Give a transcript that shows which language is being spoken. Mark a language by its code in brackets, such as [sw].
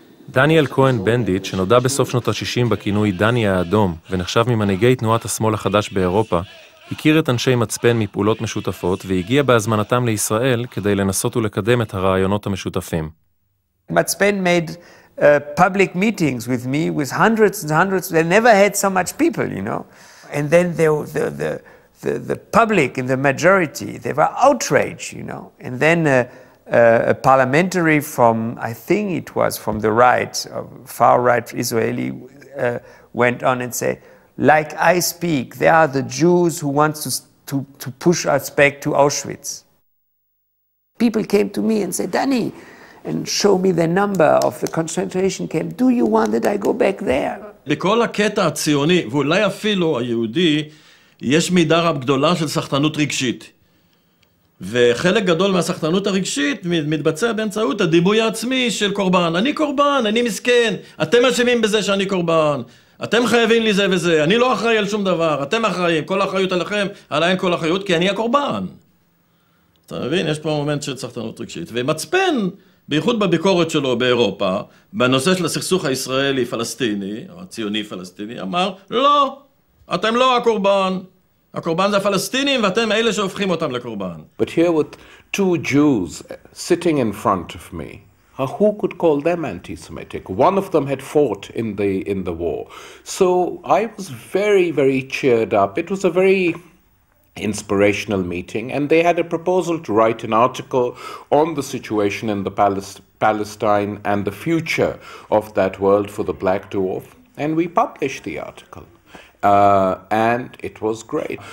[he] דניאל כהן בנדיט, שנודע בסוף שנות ה-60 בכינוי דני האדום, ונחשב ממנהיגי תנועת השמאל החדש באירופה, הכיר את אנשי מצפן מפעולות משותפות, והגיע בהזמנתם לישראל כדי לנסות ולקדם את הרעיונות המשותפים. [en] מצפן made public meetings with me, with hundreds and hundreds, they never had so much people, you know. And then the public and the majority, they were outraged, you know. And then a parliamentary from, I think it was from the right, far right Israeli, went on and said, like I speak, there are the Jews who want to push us back to Auschwitz. People came to me and said, Danny, and show me the number of the concentration camp. Do you want that I go back there? [he] בכל הקטע הציוני, ואולי אפילו היהודי, יש מידה רב גדולה של סחטנות רגשית. וחלק גדול מהסחטנות הרגשית מתבצע באמצעות הדיבוי העצמי של קורבן. אני קורבן, אני מסכן, אתם אשמים בזה שאני קורבן, אתם חייבים לי זה וזה, אני לא אחראי על שום דבר, אתם אחראים, כל האחריות עליכם, עליהם כל האחריות, כי אני הקורבן. אתה מבין? יש פה מומנט של סחטנות רגשית. ומצפן, בייחוד בביקורת שלו באירופה, בנושא של הסכסוך הישראלי-פלסטיני, או הציוני-פלסטיני, אמר, לא, אתם לא הקורבן. הקורבן זה הפלסטינים, ואתם אלה שהופכים אותם לקורבן. [en] But here with two Jews sitting in front of me, who could call them anti-Semitic? One of them had fought in the war. So I was very, very cheered up. It was a very inspirational meeting, and they had a proposal to write an article on the situation in the Palestine and the future of that world for the Black Dwarf, and we published the article, and it was great.